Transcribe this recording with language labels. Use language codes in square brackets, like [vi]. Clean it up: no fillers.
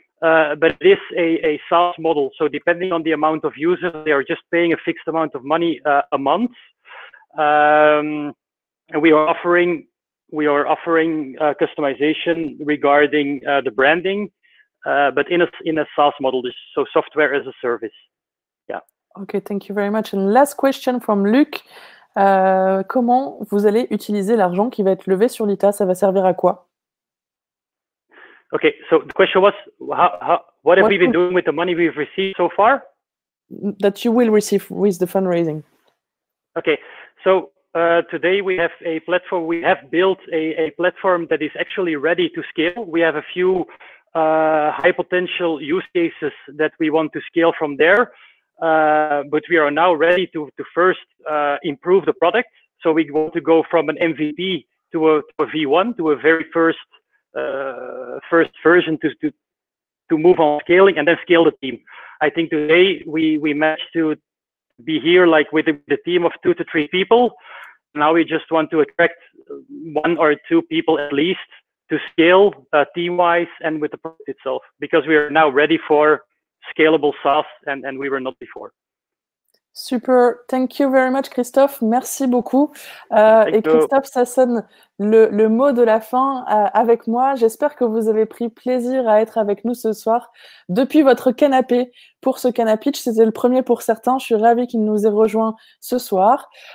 [en] But it is a SaaS model. So depending on the amount of users, they are just paying a fixed amount of money a month. And we are offering customization regarding the branding, but in a SaaS model, so software as a service. Yeah. Okay, thank you very much. And last question from Luc. [fr] Comment vous allez utiliser l'argent qui va être levé sur l'ITA? Ça va servir à quoi? [en] Okay, so the question was, what have we been doing with the money we've received so far? That you will receive with the fundraising. Okay, so... today we have a platform. We have built a platform that is actually ready to scale. We have a few high potential use cases that we want to scale from there. But we are now ready to first improve the product. So we want to go from an MVP to a V1, to a very first version to move on scaling and then scale the team. I think today we managed to be here like with the team of 2 to 3 people. Now we just want to attract 1 or 2 people at least to scale team-wise and with the product itself, because we are now ready for scalable SaaS and we were not before. Super. Thank you very much, Christophe. [fr] Merci beaucoup. [en] Thank you. [fr] Christophe, ça sonne le mot de la fin avec moi. J'espère que vous avez pris plaisir à être avec nous ce soir depuis votre canapé pour ce Canapitch. C'était le premier pour certains. Je suis ravie qu'il nous ait rejoint ce soir.